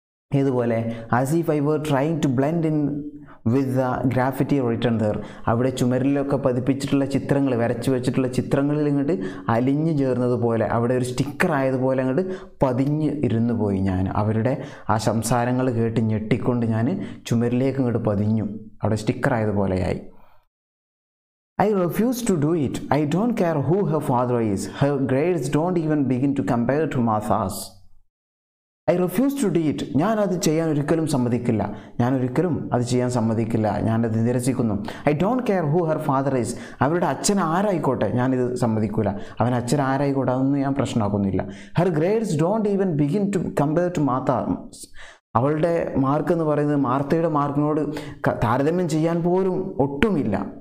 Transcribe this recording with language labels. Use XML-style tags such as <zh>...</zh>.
<ml>ഇതുപോലെ</ml> <en>as if I were trying to blend in with the graffiti written there,</en> <ml>അവിടെ ചുമരിലൊക്കെ പതിപ്പിച്ചിട്ടുള്ള ചിത്രങ്ങൾ, വരച്ചു വെച്ചിട്ടുള്ള ചിത്രങ്ങളിൽ ഇങ്ങോട്ട് അലിഞ്ഞു ചേർന്നതുപോലെ, അവിടെ ഒരു സ്റ്റിക്കർ ആയതുപോലെ അങ്ങോട്ട് പതിഞ്ഞ് ഇരുന്നു പോയി ഞാൻ. അവരുടെ ആ സംസാരങ്ങൾ കേട്ട് ഞെട്ടിക്കൊണ്ട് ഞാൻ ചുമരിലേക്ക് ഇങ്ങോട്ട് പതിഞ്ഞു, അവിടെ sticker ആയതുപോലെയായി.</ml> <en>I refuse to do it. I don't care who her father is. Her grades don't even begin to compare to Martha's. I refuse to do it,</en> <ml>ഞാനത് ചെയ്യാൻ ഒരിക്കലും സമ്മതിക്കില്ല, ഞാനൊരിക്കലും അത് ചെയ്യാൻ സമ്മതിക്കില്ല, ഞാനത് നിരസിക്കുന്നു.</ml> <en>I don't care who her father is,</en> <ml>അവരുടെ അച്ഛൻ ആരായിക്കോട്ടെ, ഞാനിത് സമ്മതിക്കില്ല, അവൻ അച്ഛൻ ആരായിക്കോട്ടെ, അതൊന്നും ഞാൻ പ്രശ്നമാക്കുന്നില്ല.</ml> <en>her grades don't even begin to compare to Martha's,</en> <ml>അവളുടെ മാർക്ക് എന്ന് പറയുന്നത് മാർത്തയുടെ മാർക്കിനോട് താരതമ്യം ചെയ്യാൻ പോലും ഒട്ടുമില്ല.</ml>